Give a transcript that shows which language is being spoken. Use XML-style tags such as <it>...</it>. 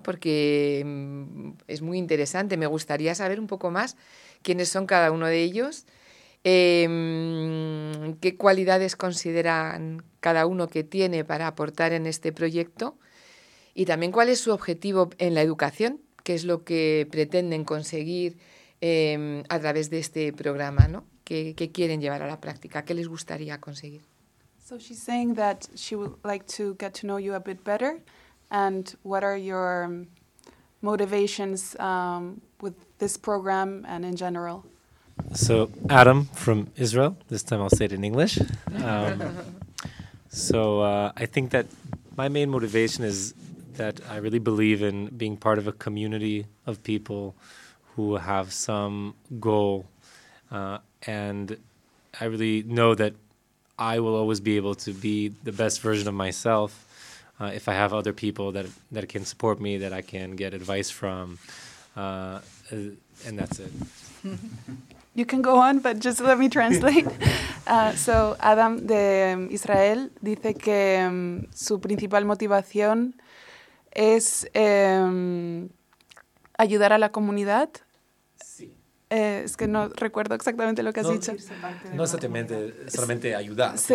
<es>Porque es muy interesante. Me gustaría saber un poco más quiénes son cada uno de ellos, qué cualidades consideran cada uno que tiene para aportar en este proyecto y también cuál es su objetivo en la educación, qué es lo que pretenden conseguir a través de este programa, ¿no? ¿Qué quieren llevar a la práctica? ¿Qué les gustaría conseguir?</es> <en>So she's saying that she would like to get to know you a bit better, and what are your motivations with this program and in general? So Adam from Israel. This time I'll say it in English. I think that my main motivation is that I really believe in being part of a community of people who have some goal, and I really know that I will always be able to be the best version of myself if I have other people that can support me, that I can get advice from, and that's it. You can go on, but just let me translate.</en> <es>So Adam de Israel dice que su principal motivación es ayudar a la comunidad. Es que no recuerdo exactamente lo que has dicho. No exactamente, solamente ayudar.</es>